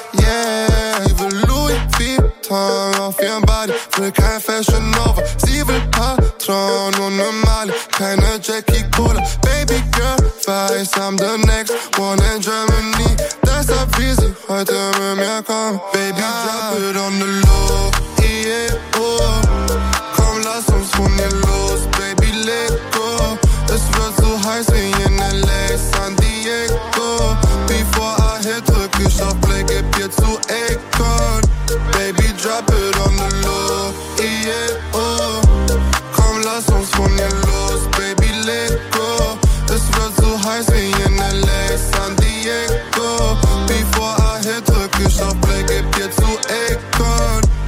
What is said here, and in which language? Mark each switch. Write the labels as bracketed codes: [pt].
[de] Yeah, ich will Louis Vuitton auf ihrem Body. Will kein Fashion Nova, sie will Patron und eine Mali. Keine Jackie Cola, Baby Girl weiß, [en] I'm the next one in Germany. [de] Deshalb will sie heute mit mir kommen. [en] Baby, drop it on the low, yeah, oh. [de] Komm, lass uns von hier los, [en] baby, let go. [de] Es wird so heiß wie in L.A., San Diego. Bevor [en] I hit, [de] drück ich auf Play, gib dir zu Akon. [en] Baby, drop it on the low, yeah, oh. [de] Komm, lass uns von hier los, [en] baby, let go. [de] Es wird so heiß wie in L.A., San Diego. Bevor [en] I hit, [de] drück ich auf Play, gib dir zu Akon.